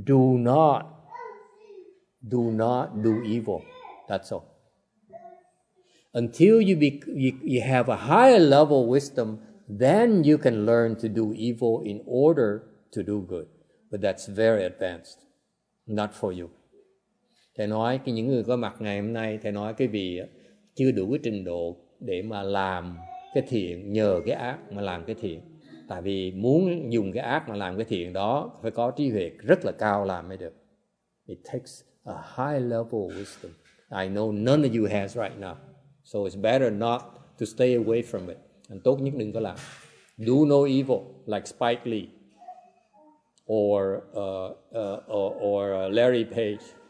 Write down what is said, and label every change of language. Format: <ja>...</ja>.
<en>Do not do evil. That's all. Until you have a higher level of wisdom, then you can learn to do evil in order to do good. But that's very advanced, not for you.</en> <vi>Thầy nói cái những người có mặt ngày hôm nay, thầy nói cái vị chưa đủ cái trình độ để mà làm cái thiện, nhờ cái ác mà làm cái thiện. Tại vì muốn dùng cái ác mà làm cái thiện đó, phải có trí huệ rất là cao làm mới được.</vi> <en>It takes a high level of wisdom. I know none of you has right now. So it's better not to stay away from it. And</en> <vi>tốt nhất đừng có làm.</vi> <en>Do no evil, like Spike Lee. Or Larry Page.</en>